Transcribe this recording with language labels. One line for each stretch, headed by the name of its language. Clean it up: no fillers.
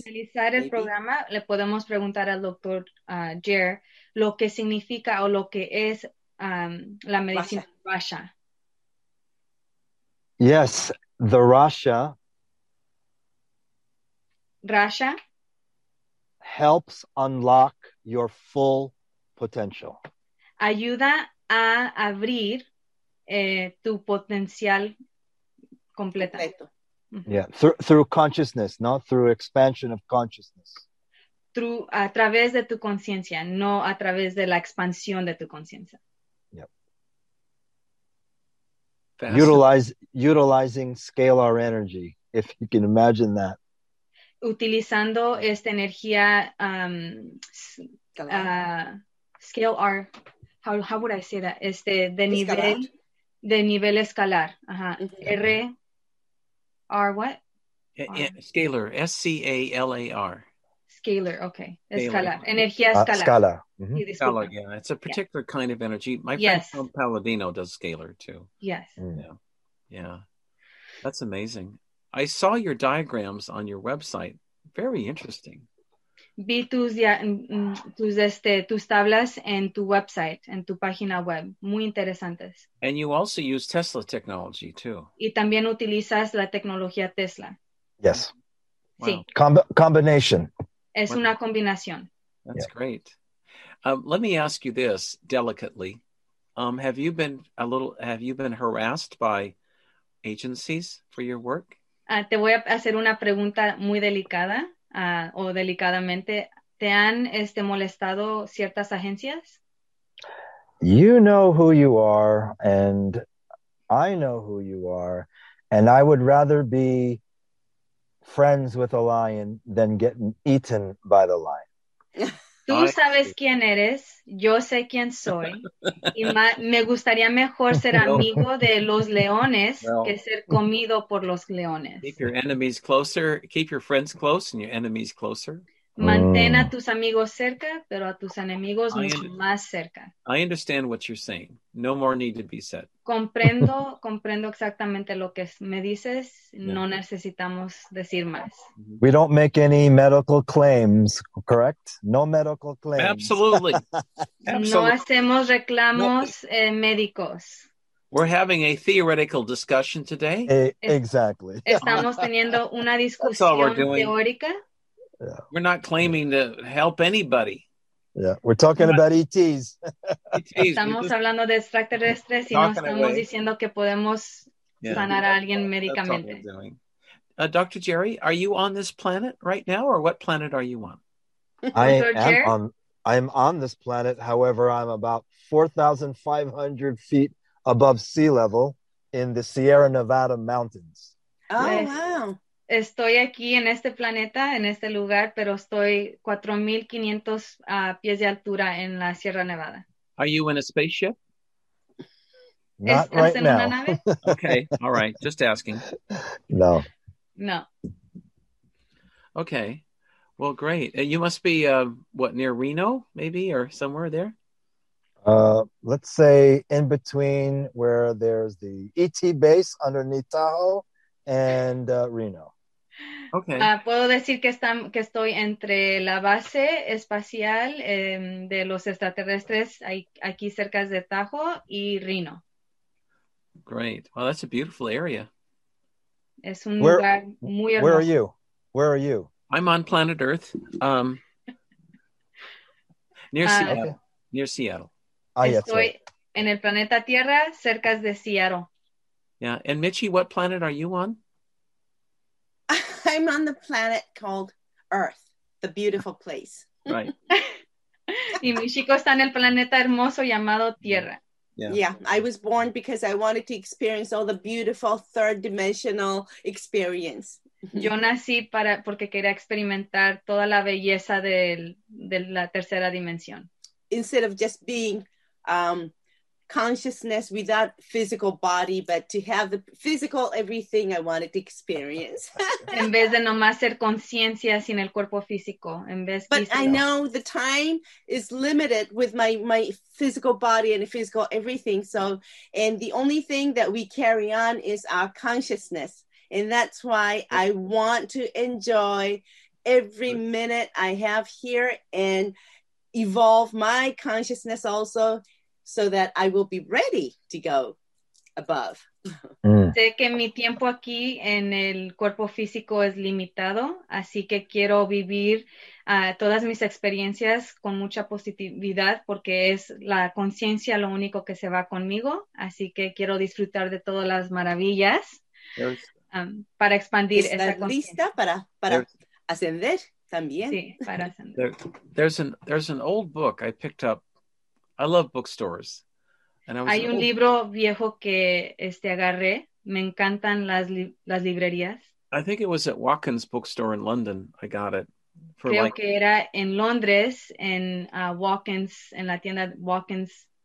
Spanish: Para finalizar el programa, le podemos preguntar al doctor Jer lo que significa o lo que es la medicina Russia.
English: Yes, the Russia. Russia helps unlock your full potential.
Spanish: Ayuda a abrir tu potencial completo.
English: Yeah, through consciousness, not through expansion of consciousness.
Spanish: Through a través de tu conciencia, no a través de la expansión de tu conciencia.
English: Yep. Utilizing scalar energy, if you can imagine that.
Spanish: Utilizando esta energía scalar.
English: How would I say that?
Spanish: De nivel escalar.
English: R what? Scalar. S-C-A-L-A-R. Scalar, okay.
Spanish: Escalar. Energía escalar.
English: Scala. Scala, yeah. It's a particular kind of energy. My friend Tom Palladino does scalar too. Yes. Yeah. That's amazing. I saw your diagrams on your website. Very interesting.
Spanish: Vi tus tablas en tu website, en tu página web. Muy interesantes.
English: And you also use Tesla technology, too.
Spanish: Y también utilizas la tecnología Tesla.
English: Yes.
Spanish: Wow. Sí.
English: Combination.
Spanish: Es una combinación.
English: That's great. Let me ask you this, delicately. Have you been harassed by agencies for your work?
Spanish: Te voy a hacer una pregunta muy delicada. O delicadamente, ¿te han molestado ciertas agencias?
English: You know who you are, and I know who you are, and I would rather be friends with a lion than getting eaten by the lion.
Spanish: Tú sabes quién eres, yo sé quién soy, y me gustaría mejor ser amigo de los leones que ser comido por los leones.
English: Keep your enemies closer, keep your friends close and your enemies closer.
Spanish: Mantén a tus amigos cerca, pero a tus enemigos más cerca.
English: I understand what you're saying. No more need to be said.
Spanish: Comprendo exactamente lo que me dices. Yeah. No necesitamos decir más.
English: We don't make any medical claims, correct? No medical claims. Absolutely.
Spanish: Absolutely. No hacemos reclamos médicos.
English: We're having a theoretical discussion today. Exactly.
Spanish: Estamos teniendo una discusión teórica.
English: Yeah. We're not claiming to help anybody. Yeah, we're talking about ETs.
Spanish: Estamos hablando de extraterrestres y no estamos diciendo que podemos sanar a alguien médicamente.
English: Dr. Jerry, are you on this planet right now, or what planet are you on? I'm on this planet. However, I'm about 4,500 feet above sea level in the Sierra Nevada mountains. Oh, yes. Wow.
Spanish: Estoy aquí en este planeta, en este lugar, pero estoy 4,500 pies de altura en la Sierra Nevada.
English: Are you in a spaceship? Not right now.
Spanish: ¿Estás en una nave?
English: Okay, all right, just asking. No. No. Okay, well, great. You must be, near Reno, maybe, or somewhere there? Let's say in between where there's the ET base underneath Tahoe and Reno. Okay.
Spanish: Puedo decir que estoy entre la base espacial de los extraterrestres aquí cerca de Tahoe y Reno.
English: Great. Well, that's a beautiful area.
Spanish: Es un lugar muy hermoso.
English: Where are you? Where are you? I'm on planet Earth. near Seattle. Okay. Near Seattle.
Spanish: Estoy en el planeta Tierra, cerca de Seattle.
English: Yeah. And Michi, what planet are you on? I'm on the planet called Earth, the beautiful place. Right.
Spanish: Y mi chico está en el planeta hermoso llamado Tierra.
English: Yeah, I was born because I wanted to experience all the beautiful third dimensional experience.
Spanish: Yo nací porque quería experimentar toda la belleza de la tercera dimensión.
English: Instead of just being consciousness without physical body, but to have the physical everything I wanted to experience.
Spanish: En vez de nomás ser conciencia sin el cuerpo físico, en vez but físico.
English: I know the time is limited with my physical body and physical everything, so and the only thing that we carry on is our consciousness, and that's why I want to enjoy every minute I have here and evolve my consciousness also, so that I will be ready to go above.
Spanish: Sé que mi tiempo aquí en el cuerpo físico es limitado, así que quiero vivir todas mis experiencias con mucha positividad, porque es la conciencia lo único que se va conmigo, así que quiero disfrutar de todas las maravillas para expandir esa conciencia. ¿Estás lista para ascender también? Sí, para ascender.
English: There's an old book I picked up. I love bookstores. And I was
Spanish: un libro viejo que agarré. Me encantan las librerías.
English: I think it was at Watkins Bookstore in London. I got it.
Spanish: Creo que era en Londres, en Watkins, en la tienda Watkins.